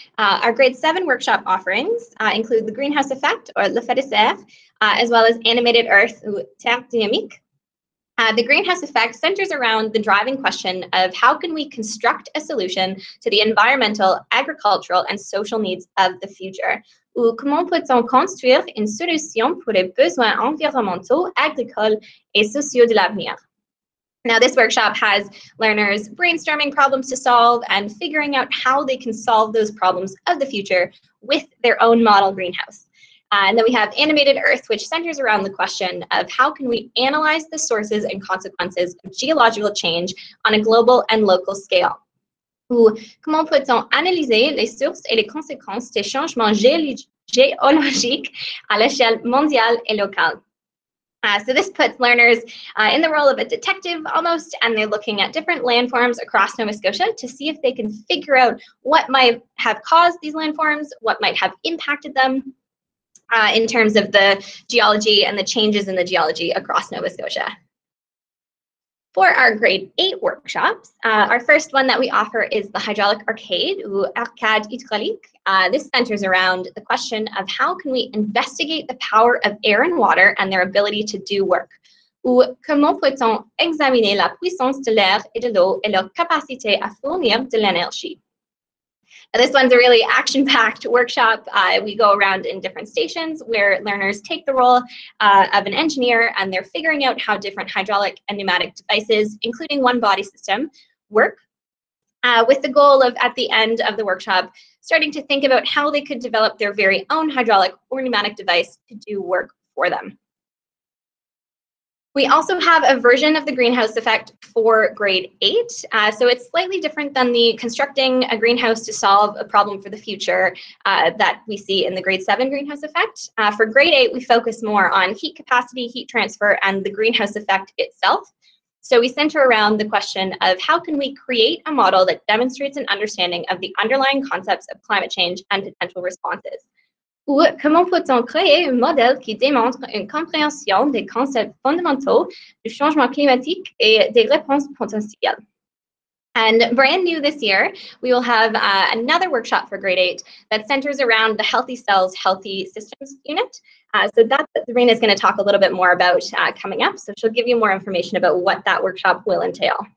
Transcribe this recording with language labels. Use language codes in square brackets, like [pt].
[en] Our grade 7 workshop offerings include the greenhouse effect, or [fr] l'effet de serre, [en] as well as animated earth, [fr] ou terre dynamique. [en] The greenhouse effect centers around the driving question of how can we construct a solution to the environmental, agricultural, and social needs of the future. [fr] Ou comment peut-on construire une solution pour les besoins environnementaux, agricoles et sociaux de l'avenir? [en] Now, this workshop has learners brainstorming problems to solve and figuring out how they can solve those problems of the future with their own model greenhouse. And then we have Animated Earth, which centers around the question of how can we analyze the sources and consequences of geological change on a global and local scale. [fr] Ou comment peut-on analyser les sources et les conséquences des changements géologiques à l'échelle mondiale et locale? [en] So this puts learners in the role of a detective almost, and they're looking at different landforms across Nova Scotia to see if they can figure out what might have caused these landforms, what might have impacted them in terms of the geology and the changes in the geology across Nova Scotia. For our grade 8 workshops, our first one that we offer is the hydraulic arcade, [fr] ou arcade hydraulique. [en] This centers around the question of how can we investigate the power of air and water and their ability to do work. [fr] Ou comment peut-on examiner la puissance de l'air et de l'eau et leur capacité à fournir de l'énergie. [en] Now, this one's a really action-packed workshop. We go around in different stations where learners take the role of an engineer, and they're figuring out how different hydraulic and pneumatic devices, including one body system, work, with the goal of, at the end of the workshop, starting to think about how they could develop their very own hydraulic or pneumatic device to do work for them. We also have a version of the greenhouse effect for grade 8. So it's slightly different than the constructing a greenhouse to solve a problem for the future that we see in the grade 7 greenhouse effect. For grade 8, we focus more on heat capacity, heat transfer, and the greenhouse effect itself. So we center around the question of how can we create a model that demonstrates an understanding of the underlying concepts of climate change and potential responses. [fr] Ou comment peut-on créer un modèle qui démontre une compréhension des concepts fondamentaux du changement climatique et des réponses potentielles? [en] And brand new this year, we will have another workshop for grade 8 that centers around the Healthy Cells, Healthy Systems unit. So that's what Sabrina is going to talk a little bit more about coming up. So she'll give you more information about what that workshop will entail.